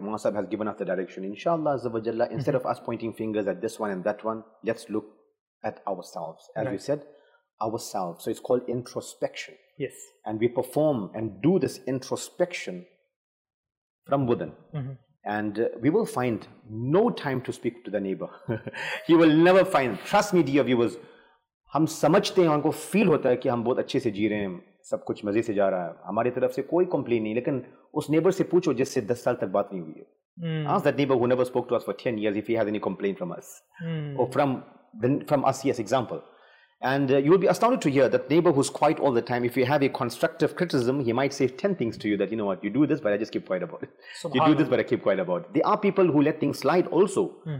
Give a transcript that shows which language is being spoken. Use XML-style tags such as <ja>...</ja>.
<en>Mulana Sahib has given us the direction. Inshallah, Azza wa Jalla, instead of us pointing fingers at this one and that one, let's look at ourselves. As you said, ourselves. So it's called introspection. Yes. And we perform and do this introspection from within. Mm-hmm. And we will find no time to speak to the neighbor. He will never find. Trust me, dear viewers.</en> <hi>हम समझते हैं, हमको feel होता है कि हम बहुत अच्छे से जी रहे हैं, सब कुछ मजे से जा रहा है, हमारी तरफ से कोई कंप्लेन नहीं, लेकिन उस नेबर से पूछो जिससे 10 साल तक बात नहीं हुई है.</hi> <en>Ask that neighbor who never spoke to us for 10 years if he has any complaint from us. Or from us, yes, example. And you will be astounded to hear that neighbor who's quiet all the time, if you have a constructive criticism, he might say 10 things to you that, you know what, you do this, but I just keep quiet about it. You do this, but I keep quiet about it. There are people who let things slide also.</en>